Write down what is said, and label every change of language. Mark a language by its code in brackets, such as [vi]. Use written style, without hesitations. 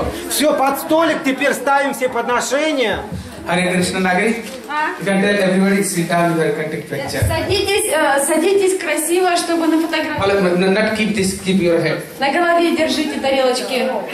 [ru] Все, под столик теперь ставим все подношения. [en] Hare Krishna Nagari. You can tell everybody to sit down with your contact picture. [ru] Садитесь красиво, чтобы на фотографии. [en] Not keep this, keep your head. [ru] На голове держите тарелочки.